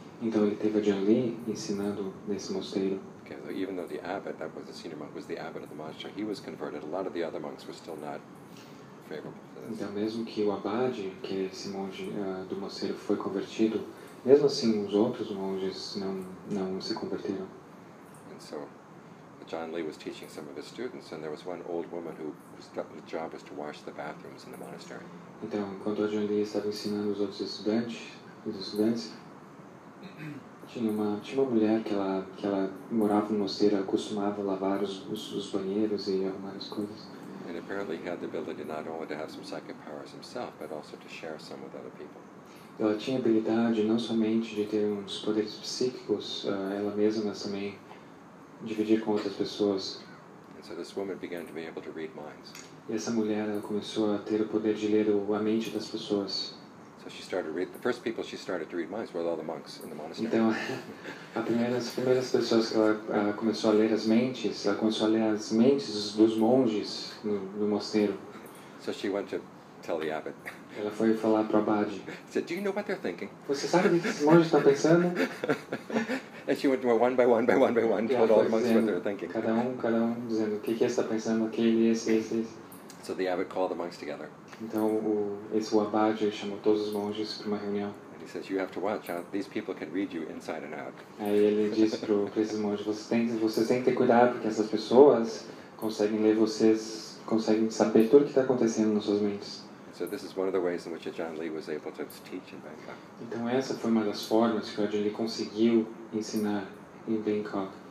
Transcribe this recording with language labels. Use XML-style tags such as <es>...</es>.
<pt>Então ele teve a Jian Li ensinando nesse mosteiro.</pt> <en>Okay, so even though the abbot, that was the senior monk, was the abbot of the monastery, he was converted. A lot of the other monks were still not favorable.</en> <pt>Então mesmo que o abade, que esse monge do mosteiro foi convertido, Mesmo assim, os outros monges não se converteram.</pt> <en>And so, John Lee was teaching some of his students, and there was one old woman whose job was to wash the bathrooms in the monastery.</en> <pt>Então, enquanto John Lee estava ensinando os outros estudantes, tinha uma mulher que ela morava no mosteiro, acostumava a lavar os banheiros e arrumar as coisas.</pt> <en>And apparently he had the ability not only to have some psychic powers himself, but also to share some with other people.</en> <pt>Ela tinha habilidade não somente de ter uns poderes psíquicos ela mesma, mas também dividir com outras pessoas.</pt> <en>And so this woman began to be able to read minds.</en> <pt>E essa mulher, ela começou a ter o poder de ler a mente das pessoas.</pt> <en>So she started to read, the first people she started to read minds were all the monks in the monastery.</en> <pt>Então, as primeiras pessoas que ela começou a ler as mentes, ela começou a ler as mentes dos monges no mosteiro.</pt> <en>So she went to tell the abbot.</en> <pt>Ela foi falar para o abade.</pt> <en>Said, do you know what they're thinking?</en> <pt>Você sabe o que os monges estão pensando?</pt> <en>And she went to one by one by one by one, told all the monks what they were thinking.</en> <pt>Cada um dizendo o que que está pensando, aquele, esse.</pt> <en>So the abbot called the monks together.</en> <pt>Então o abade chamou todos os monges para uma reunião.</pt> <en>And he says, you have to watch out. These people can read you inside and out.</en> <pt>Aí ele disse para esses monges, vocês têm que ter cuidado porque essas pessoas conseguem ler vocês, conseguem saber tudo o que está acontecendo nas suas mentes.</pt> <en>So this is one of the ways in which John Lee was able to teach in Bangkok.</en> <pt>Então essa foi uma das formas que John Lee conseguiu ensinar em Bangkok.</pt>